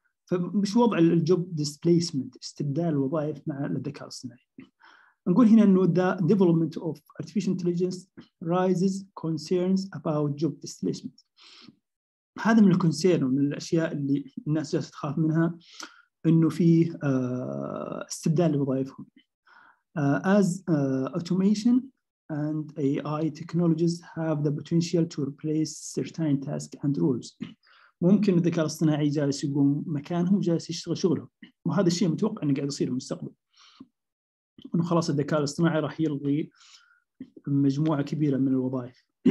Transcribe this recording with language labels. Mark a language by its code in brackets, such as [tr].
[ar] فمش وضع الجوب ديسبليسمنت استبدال الوظائف مع الذكاء الاصطناعي. نقول هنا إنه [en] the development of artificial intelligence raises concerns about job displacement. [ar] هذا من الكونسيرن ومن الأشياء اللي الناس جالسة تخاف منها إنه في استبدال لوظائفهم. [en] As automation and AI technologies have the potential to replace certain tasks and roles. [ar] ممكن الذكاء الاصطناعي جالس يقوم مكانهم جالس يشتغل شغله، وهذا الشيء متوقع إنه قاعد يصير في المستقبل. إنه خلاص الذكاء الاصطناعي راح يلغي مجموعة كبيرة من الوظائف.